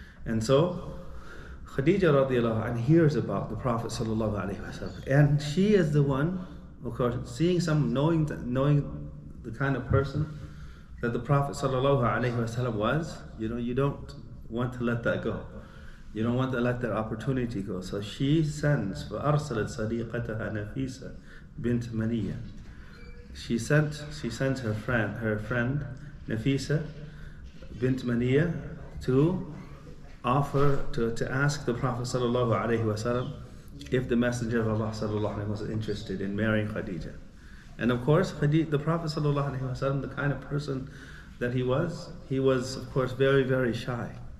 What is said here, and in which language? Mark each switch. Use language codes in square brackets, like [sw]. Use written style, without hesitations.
[en] And so Khadija radiallahu anha hears about the Prophet sallallahu alaihi wasallam, and she is the one, of course, seeing some, knowing the kind of person that the Prophet sallallahu alaihi wasallam was. You know, you don't want to let that go. You don't want to let that opportunity go. So she sends, [ar] فَأَرْسَلَتْ صَدِيقَتَهَا نَفِيسَ بِنْتْ مَنِيَّةً. [en] She sends her friend Nafisa bint Maniya to ask the Prophet sallallahu alaihi wasallam if the Messenger of Allah sallallahu alaihi wasallam was interested in marrying Khadija. And of course, the Prophet sallallahu alaihi wasallam, the kind of person that he was of course very, very shy.